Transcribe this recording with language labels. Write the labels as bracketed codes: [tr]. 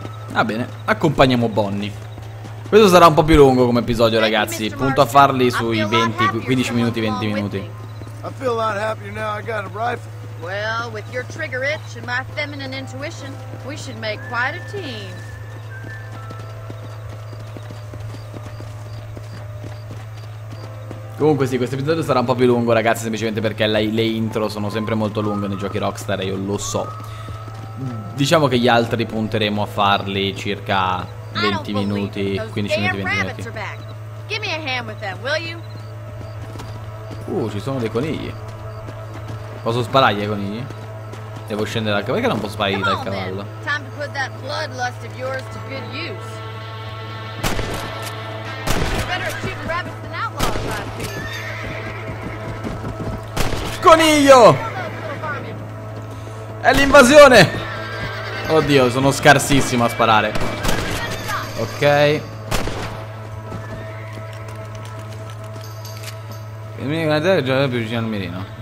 [it] Va bene, accompagniamo Bonnie. Questo sarà un po' più lungo come episodio, ragazzi. Punto a farli sui 20, 15 minuti, 20 minuti. [en] I feel a lot happier now I got a rifle. Well, with your trigger itch and my feminine intuition, we should make quite a team. [it] Comunque sì, questo episodio sarà un po' più lungo, ragazzi, semplicemente perché le intro sono sempre molto lunghe nei giochi Rockstar, io lo so. Diciamo che gli altri punteremo a farli circa 20 minuti, 15 minuti, 20 minuti. [en] Give me a hand with them, will you? [it] Ci sono dei conigli. Posso sparargli ai conigli? Devo scendere dal cavallo. Perché non posso sparargli dal cavallo? [en] Time to put that bloodlust of yours to good use. Better at shooting rabbits than outlaws, I think. [it] Coniglio! È l'invasione! Oddio, sono scarsissimo a sparare. Ok. Il mio canadere è già più vicino al mirino.